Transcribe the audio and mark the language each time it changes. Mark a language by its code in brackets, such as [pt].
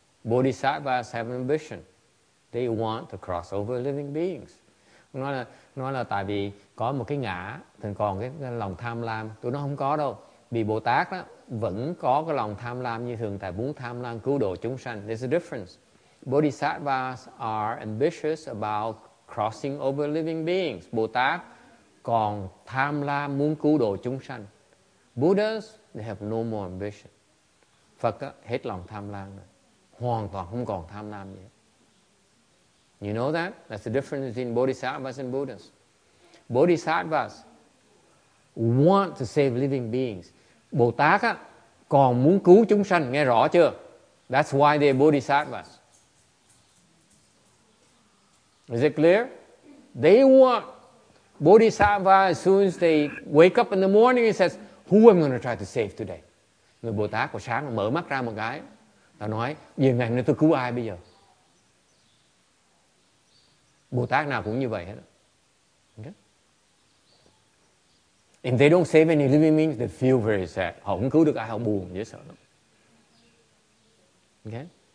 [en] Bodhisattvas have ambition. They want to cross over living beings. [vi] Nó là tại vì có một cái ngã, thường còn cái lòng tham lam. Tụi nó không có đâu. Vì Bồ Tát đó, vẫn có cái lòng tham lam như thường tại muốn tham lam cứu độ chúng sanh. [en] There's a difference. Bodhisattvas are ambitious about crossing over living beings. [vi] Bồ Tát còn tham lam muốn cứu độ chúng sanh. [en] Buddhas, they have no more ambition. [vi] Phật hết lòng tham lam rồi. Hoàn toàn không còn tham lam gì. [en] You know that? That's the difference between bodhisattvas and Buddhas. Bodhisattvas want to save living beings. [vi] Bồ Tát còn muốn cứu chúng sanh, nghe rõ chưa? [en] That's why they're bodhisattvas. Is it clear? They want bodhisattvas, as soon as they wake up in the morning, he says, who am I going to try to save today? [vi] Người Bồ Tát của sáng mở mắt ra một cái. Ta nói, giờ ngày nay tôi cứu ai bây giờ? Bồ Tát nào cũng như vậy hết. [en] Okay? And they don't save any living beings, they feel very sad. [vi] Họ không cứu được ai, họ buồn, dễ sợ lắm. [en] Okay?